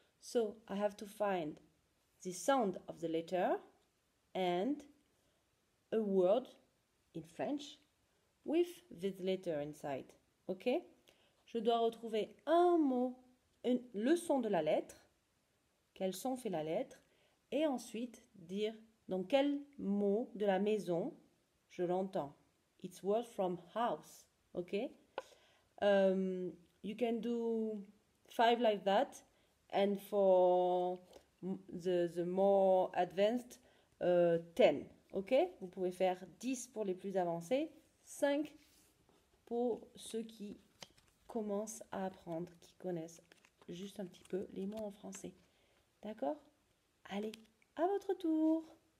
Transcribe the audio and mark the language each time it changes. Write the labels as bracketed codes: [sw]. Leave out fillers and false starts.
[en] So, I have to find the sound of the letter and a word in French with this letter inside. OK? [fr] Je dois retrouver un mot, le son de la lettre, quel son fait la lettre, et ensuite dire dans quel mot de la maison je l'entends. [en] It's word from house. OK? You can do five like that, and for the more advanced, 10. OK? [fr] Vous pouvez faire 10 pour les plus avancés, 5 pour ceux qui commencent à apprendre, qui connaissent juste un petit peu les mots en français. D'accord? Allez, à votre tour!